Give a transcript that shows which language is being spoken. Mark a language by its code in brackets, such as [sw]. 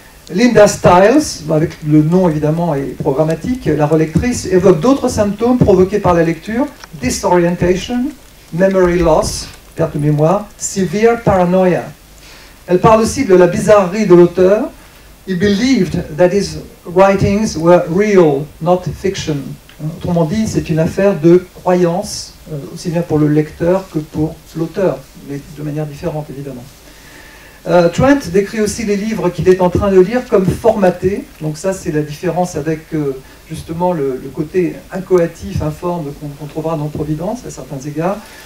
[fr] Linda Stiles, avec le nom évidemment et programmatique, la relectrice, évoque d'autres symptômes provoqués par la lecture, [en] disorientation, memory loss, [fr] perte de mémoire, [en] severe paranoia. [fr] Elle parle aussi de la bizarrerie de l'auteur. [en] He believed that his writings were real, not fiction. [fr] Autrement dit, c'est une affaire de croyance, aussi bien pour le lecteur que pour l'auteur, mais de manière différente évidemment. Trent décrit aussi les livres qu'il est en train de lire comme formatés. Donc ça, c'est la différence avec justement le côté incoatif, informe qu'on trouvera dans Providence à certains égards.